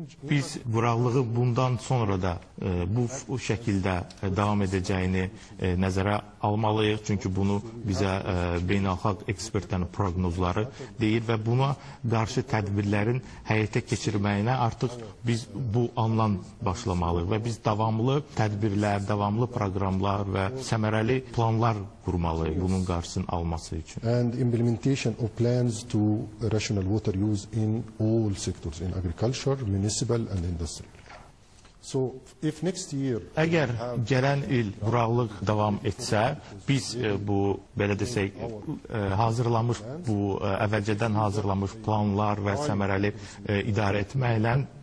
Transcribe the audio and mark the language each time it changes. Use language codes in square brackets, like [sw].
[az] Biz quraqlığı bundan sonra da bu şəkildə davam edəcəyini nəzərə almalıyıq, çünki bunu bizə beynəlxalq ekspertlərin proqnozları deyir və buna qarşı tədbirlərin həyata keçirməyinə artıq biz bu andan başlamalıyıq və biz davamlı tədbirlər, davamlı proqramlar və səmərəli planlar qurmalıyıq bunun qarşısını alması üçün. [en] And implementation of plans to rational water use in all sectors, in agriculture, municipal and industrial. [az] Əgər gələn il quraqlıq davam etsə, biz bu, belə desək, əvvəlcədən hazırlamış planlar və səmərəli idarə etməklə